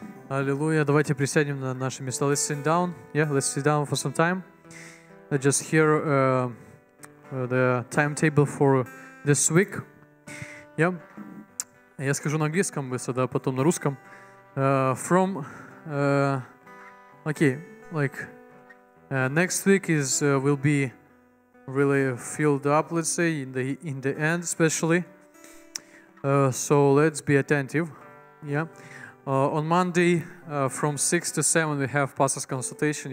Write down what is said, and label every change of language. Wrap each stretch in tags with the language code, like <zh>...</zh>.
<ru>Аллилуйя, давайте присядем на наши места.</ru> <en>Let's sit down. Yeah, let's sit down for some time. I just hear the timetable for this week.</en> <ru>Я скажу на английском быстро, да, потом на русском.</ru> <en>From, okay, like, next week is will be really filled up, let's say, in the end especially. So let's be attentive. Yeah. On Monday, from 6 to 7, we have pastor's consultation.</en>